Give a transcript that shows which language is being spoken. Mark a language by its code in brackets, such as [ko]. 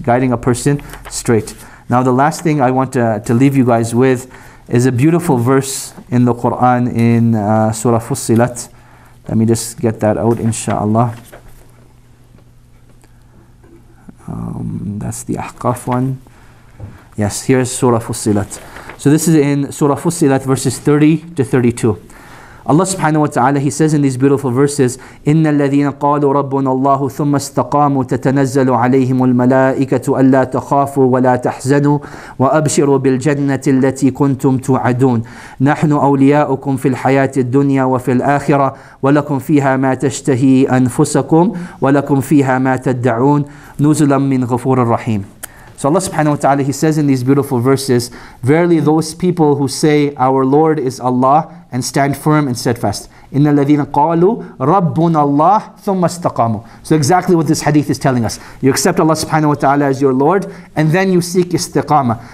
[en] Guiding a person straight. Now the last thing I want to leave you guys with is a beautiful verse in the Quran in Surah Fussilat. Let me just get that out, inshaAllah. That's the Ahqaf one. Yes, here's Surah Fussilat. So this is in Surah Fussilat, verses 30 to 32. Allah subhanahu wa ta'ala, He says in these beautiful verses, [ar] إِنَّ الَّذِينَ قَالُوا رَبُّنَ اللَّهُ ثُمَّ اسْتَقَامُوا تَتَنَزَّلُ عَلَيْهِمُ الْمَلَائِكَةُ أَلَّا تَخَافُوا وَلَا تَحْزَنُوا وَأَبْشِرُوا بِالْجَنَّةِ الَّتِي كُنْتُمْ تُوعَدُونَ نَحْنُ أَوْلِيَاؤُكُمْ فِي الْحَيَاةِ الدُّنْيَا وَفِي الْآخِرَةِ وَلَكُمْ فِيهَا مَا تَشْتَهِي أَنفُسَكُمْ وَلَكُمْ فِيهَا مَا تَدَّعُونَ نُزُلًا مِنْ غَفُورٍ رَحِيمٍ. [en] So Allah subhanahu wa ta'ala, He says in these beautiful verses, verily those people who say, our Lord is Allah, and stand firm and steadfast. [ar] إِنَّ الَّذِينَ قَالُوا رَبُّنَ اللَّهِ ثُمَّ اسْتَقَامُوا. [en] So exactly what this hadith is telling us. You accept Allah subhanahu wa ta'ala as your Lord, and then you seek istiqamah.